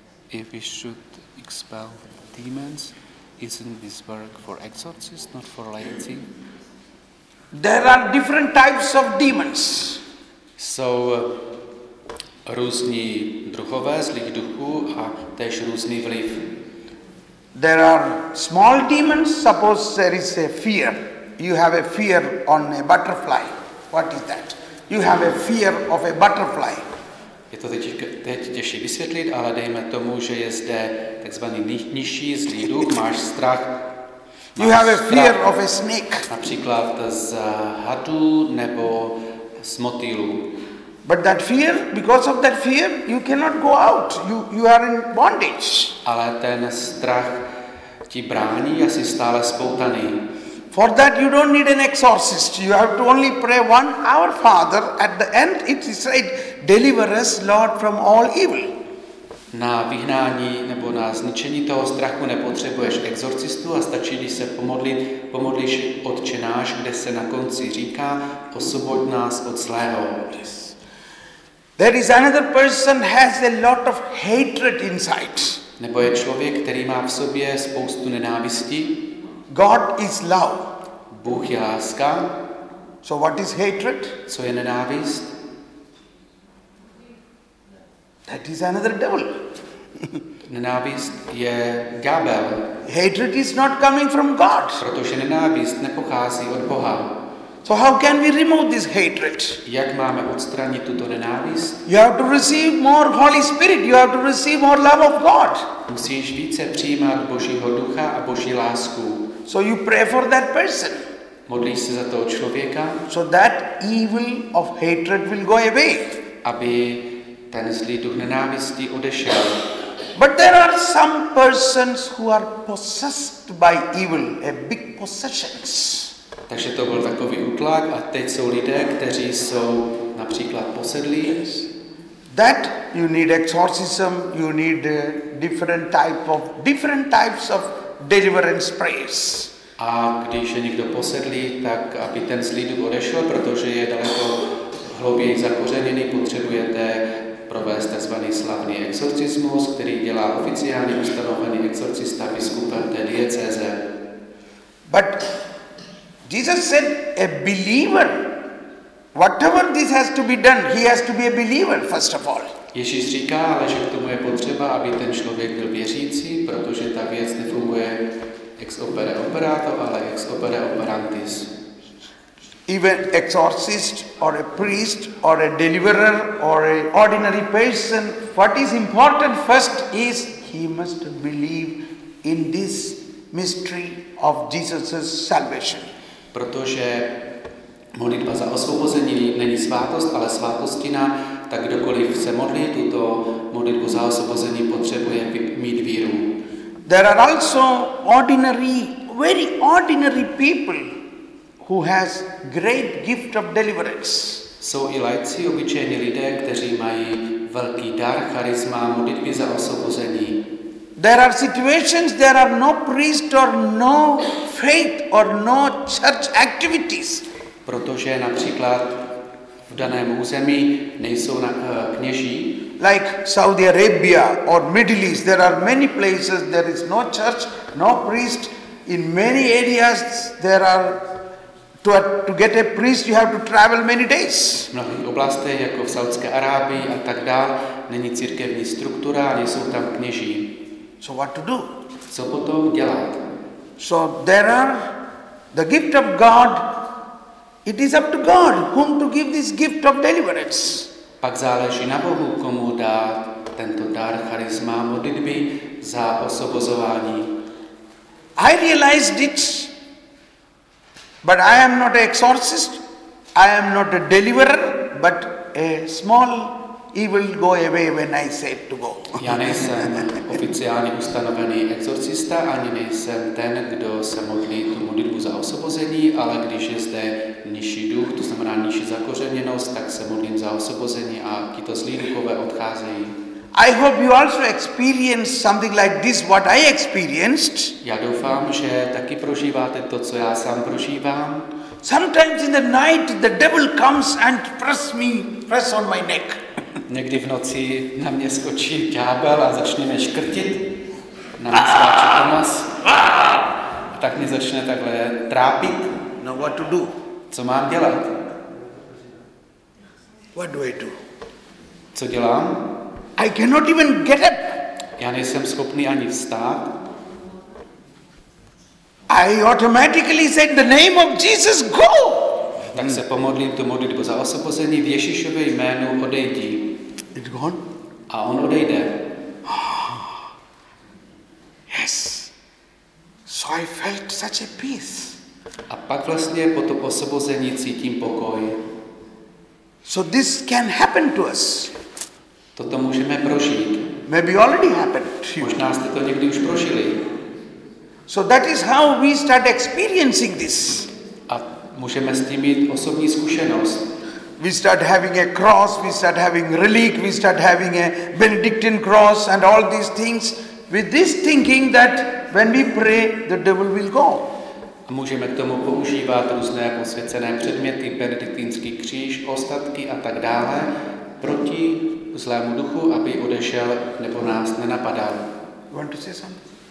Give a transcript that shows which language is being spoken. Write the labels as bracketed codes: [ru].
[en] If we should expel demons, isn't this work for exorcists, not for laity? There are different types of demons. [cs] Jsou různí druhové zlých duchů a též různý vliv. [en] There are small demons. Suppose there is a fear. You have a fear on a butterfly. What is that? You have a fear of a butterfly. [cs] Je to teď těžší vysvětlit, ale dejme tomu, že je zde takzvaný nižší zlý duch. Máš strach. [en] You have a fear of a snake. [cs] Například z hadu nebo z motýlu. [en] But that fear, because of that fear, you cannot go out. You are in bondage. [cs] Ale ten strach ti brání a jsi stále spoutaný. [en] For that you don't need an exorcist. You have to only pray one Our Father. At the end it is said, deliver us, Lord, from all evil. [cs] Na vyhnání nebo na zničení toho strachu nepotřebuješ exorcistu a stačí, když se pomodlíš Otče náš, kde se na konci říká, osvoboď nás od zlého. [en] There is another person has a lot of hatred inside. [cs] Nebo je člověk, který má v sobě spoustu nenávisti. [en] God is love. [cs] Bůh je láska. [en] So what is hatred? [cs] Co je nenávist? [en] That is another devil. [cs] Nenávist je ďábel. [en] Hatred is not coming from God. [cs] Protože nenávist nepochází od Boha. [en] So how can we remove this hatred? [cs] Jak máme odstranit tuto nenávist? [en] You have to receive more Holy Spirit. You have to receive more love of God. [cs] Musíš více přijímat Božího ducha a Boží lásku. [en] So you pray for that person. [cs] Modlíš se za toho člověka. [en] So that evil of hatred will go away. [cs] Aby ten zlý duch nenávisti odešel. [en] But there are some persons who are possessed by evil, a big possessions. [cs] Takže to byl takový útlak a teď jsou lidé, kteří jsou například posedlí. [en] That you need exorcism, you need different types of deliverance prayers. [cs] A když je někdo posedlí, tak aby ten zlý duch odešel, protože je daleko hlouběji zakořeněný, potřebujete provést tzv. Slavný exorcismus, který dělá oficiálně ustanovený exorcista biskupa té diecéze. [en] But Jesus said, a believer, whatever this has to be done, he has to be a believer, first of all. [cs] Ježíš říká, ale že k tomu je potřeba, aby ten člověk byl věřící, protože ta věc nefunguje [la] ex opere operato, [cs] ale [la] ex opere operantis. [en] Even exorcist or a priest or a deliverer or an ordinary person, what is important first is he must believe in this mystery of Jesus' salvation. [cs] Protože modlitba za osvobození není svátost, ale svátostina, tak kdokoliv se modlí tuto modlitbu za osvobození, potřebuje mít víru. [en] There are also ordinary, very ordinary people who has great gift of deliverance. [cs] Jsou i laici, obyčejní lidé, kteří mají velký dar, charisma, modlitby za osvobození. [en] There are situations there are no priest or no faith or no church activities. [cs] Protože například v daném území nejsou kněží. [en] Like Saudi Arabia or Middle East, there are many places there is no church, no priest. In many areas there are to get a priest you have to travel many days. [cs] V mnohých oblastech jako v Saudské Arábii a tak dále není církevní struktura, nejsou tam kněží. [en] So what to do? [cs] Co potom dělat? [en] So there are the gift of God. It is up to God whom to give this gift of deliverance. [cs] Pak záleží na Bohu, komu dát tento dar charisma modlitby za osvobozování. [en] I realized it, but I am not an exorcist. I am not a deliverer, but a small evil go away when I say to go. [cs] Já nejsem oficiálně ustanovený exorcista, ani nejsem ten, kdo se modlí tu modlitbu za osvobození, ale když je zde nižší duch, to znamená nižší zakořeněnost, tak se modlím za osvobození a tyto zlí duchové odcházejí. [en] I hope you also experience something like this, what I experienced. [cs] Já doufám, že taky prožíváte to, co já sám prožívám. [en] Sometimes in the night the devil comes and press me, press on my neck. [cs] Někdy v noci na mě skočí ďábel a začne mě škrtit, na mě skáče Tomas, a tak mě začne takhle trápit. [en] Now what to do? [cs] Co mám dělat? [en] What do I do? [cs] Co dělám? [en] I cannot even get up. [cs] Já nejsem schopný ani vstát. [en] I automatically said the name of Jesus, go! [cs] Tak se pomodlím tu modlitbu za osvobození v Ježíšově jménu odejdi. [en] It's gone. [cs] A on odejde. [en] Yes. So I felt such a peace. [cs] A pak vlastně po to osvobození cítím pokoj. [en] So this can happen to us. [cs] Toto můžeme prožít. [en] Maybe already happened. [cs] Možná jste to někdy už prožili. [en] So that is how we start experiencing this. [cs] A můžeme s tím mít osobní zkušenost. [en] We start having a cross, we start having relic, we start having a Benedictine cross and all these things with this thinking that when we pray, the devil will go. [cs] A můžeme k tomu používat různé posvěcené předměty, benediktinský kříž, ostatky a tak dále, proti zlému duchu, aby odešel nebo nás nenapadal. [en] Want to say something?